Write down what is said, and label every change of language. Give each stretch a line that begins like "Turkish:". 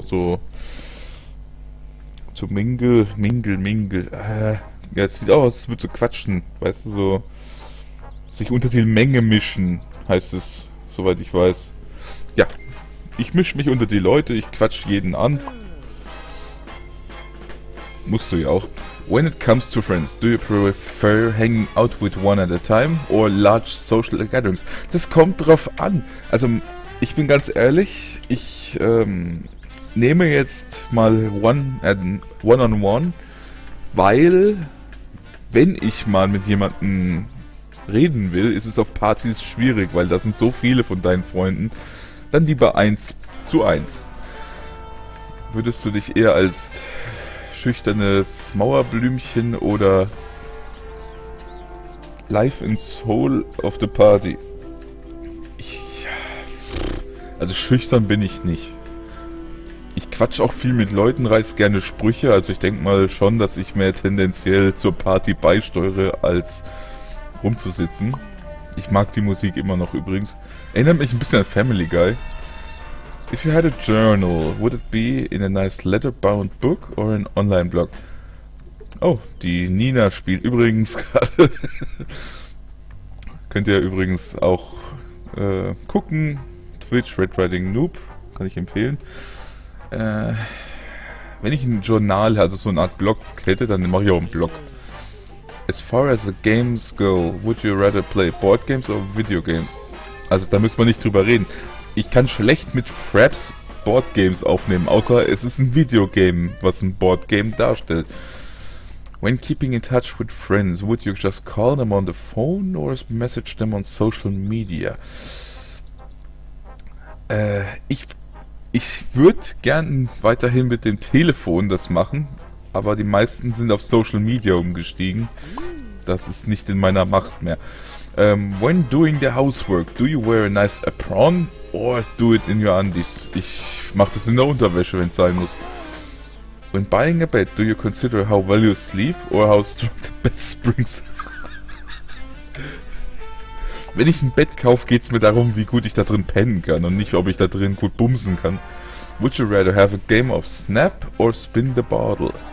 English: Zu mingle, mingle, mingle.
German: Ja, es sieht aus, es wird so quatschen. Weißt du, so. Sich unter die Menge mischen, heißt es, soweit ich weiß. Ja, ich mische mich unter die Leute, ich quatsch jeden an. Musst du ja auch.
English: When it comes to friends, do you prefer hanging out with one at a time or large social gatherings?
German: Das kommt drauf an. Also, ich bin ganz ehrlich, ich nehme jetzt mal one-on-one, weil, wenn ich mal mit jemandem reden will, ist es auf Partys schwierig, weil da sind so viele von deinen Freunden. Dann lieber 1:1. Würdest du dich eher als schüchternes Mauerblümchen oder
English: life and soul of the party?
German: Also schüchtern bin ich nicht. Ich quatsch auch viel mit Leuten, reiß gerne Sprüche, also ich denke mal schon, dass ich mehr tendenziell zur Party beisteuere, als rumzusitzen. Ich mag die Musik immer noch übrigens. Erinnert mich ein bisschen an Family Guy.
English: If you had a journal, would it be in a nice letterbound book or an online blog?
German: Oh, die Nina spielt übrigens gerade. Könnt ihr übrigens auch gucken. Twitch Red Riding Noob, kann ich empfehlen. Wenn ich ein Journal, also so eine Art Blog hätte, dann mache ich auch einen Blog.
English: As far as the games go, would you rather play board games or video games?
German: Also da müssen wir nicht drüber reden. Ich kann schlecht mit Fraps Board Games aufnehmen, außer es ist ein Videogame, was ein Board Game darstellt.
English: When keeping in touch with friends, would you just call them on the phone or message them on social media?
German: Ich würde gern weiterhin mit dem Telefon das machen, aber die meisten sind auf Social Media umgestiegen. Das ist nicht in meiner Macht mehr.
English: When doing the housework, do you wear a nice apron? Or do it in your undies.
German: Ich mach das in der Unterwäsche, wenn es sein muss.
English: When buying a bed, do you consider how well you sleep or how strong the bed springs?
German: Wenn ich ein Bett kaufe, geht's mir darum, wie gut ich da drin pennen kann und nicht, ob ich da drin gut bumsen kann.
English: Would you rather have a game of snap or spin the bottle?